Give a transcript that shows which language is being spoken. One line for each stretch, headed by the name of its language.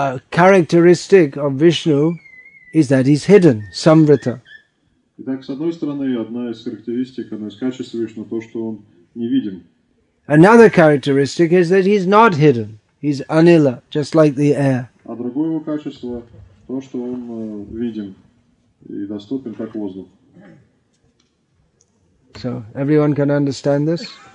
English: Characteristic of Vishnu is that he's hidden, Samrita.
Russian: Итак, с одной стороны, одна из характеристик, одна из качеств Вишну, то, что он невидим.
English: Another characteristic is that he's not hidden. He's anila, just like the air.
Russian: А другое его качество, то, что он видим и доступен, как воздух.
English: So, everyone can understand this?